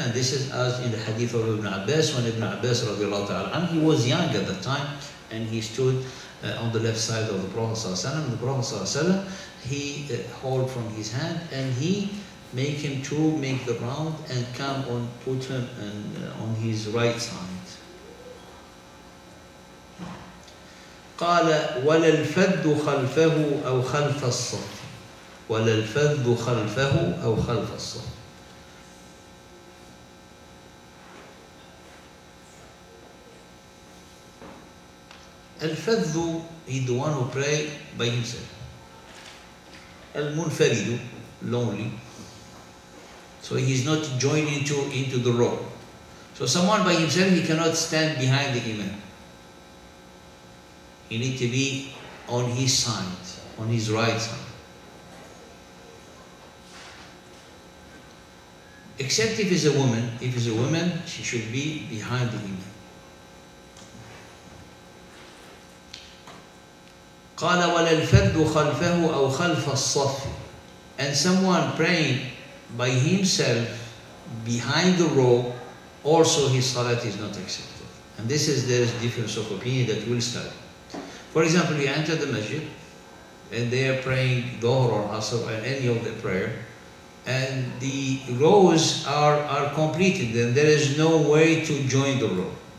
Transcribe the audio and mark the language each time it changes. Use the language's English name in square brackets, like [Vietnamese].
[English] And this is as in the hadith of Ibn Abbas, when Ibn Abbas radiallahu ta'ala anhu, he was young at the time, and he stood on the left side of the Prophet sallallahu alaihi wasallam. The Prophet sallallahu alaihi wasallam, he hold from his hand and he make him to make the round and come on, put him and, on his right side. [Arabic] قال ولا الفد خلفه أو خلف الصف ولا الفد خلفه أو خلف الصف. [English] Al-Fadhu is the one who pray by himself. Al-Munfaridu, lonely. So he's not joined into the row. So someone by himself, he cannot stand behind the imam. He need to be on his side, on his right side. Except if it's a woman. If it's a woman, she should be behind the imam. [Arabic] قال ولا الفرد خلفه أو خلف الصف. [English] And someone praying by himself behind the row, also his salat is not accepted. And this is the difference of opinion that we'll study. For example, you enter the masjid, and they are praying Dhuhr or Asr or any of the prayer, and the rows are completed, and there is no way to join the row.